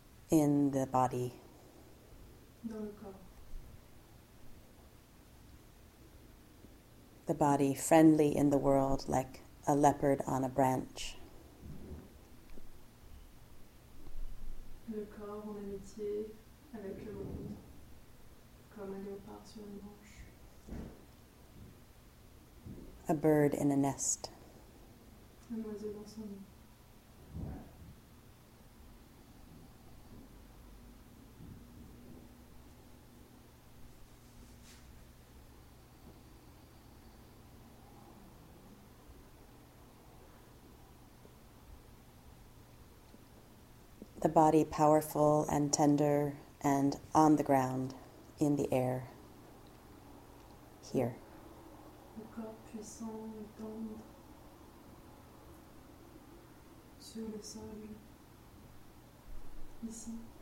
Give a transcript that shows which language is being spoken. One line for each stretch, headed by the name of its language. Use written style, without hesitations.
English: In the body.
French: Dans le corps.
English: The body friendly in the world, like a leopard on a branch.
French: Le corps en amitié avec le monde, comme un léopard sur une branche.
English: A bird in a nest.
French: Un oiseau dans son nid.
English: The body powerful and tender and on the ground, in the air, here.
French: Le corps puissant et tendre sur le sol, ici.